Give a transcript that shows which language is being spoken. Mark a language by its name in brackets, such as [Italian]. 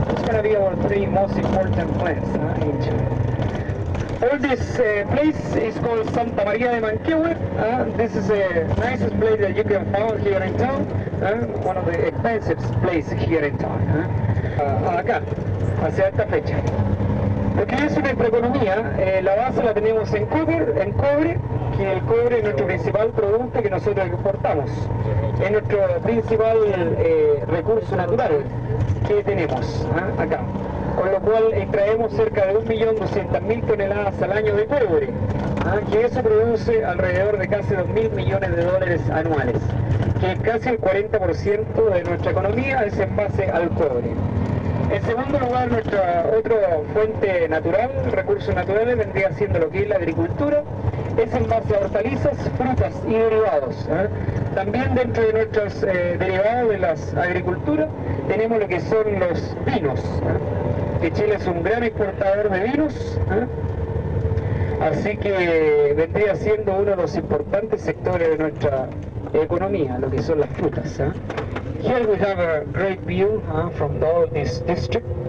[English] It's going to be our three most important plants in Chile. All this place is called Santa Maria de Manquehue. This is the nicest place that you can find here in town. One of the expensive places here in town. [Spanish] Acá, hacia esta fecha. Lo que es una microeconomía, la base la tenemos en cobre, que el cobre es nuestro principal producto que nosotros exportamos. Es nuestro principal recurso natural que tenemos acá. Con lo cual extraemos cerca de 1.200.000 toneladas al año de cobre, que eso produce alrededor de casi 2.000 millones de dólares anuales. Que casi el 40% de nuestra economía es en base al cobre. En segundo lugar, nuestra otra fuente natural, recursos naturales, vendría siendo lo que es la agricultura. Es en base a hortalizas, frutas y derivados. También dentro de nuestros derivados de las agriculturas tenemos lo que son los vinos. Que Chile es un gran exportador de vinos. Así que vendría siendo uno de los importantes sectores de nuestra economía, lo que son las frutas. [English] Here we have a great view from all this district.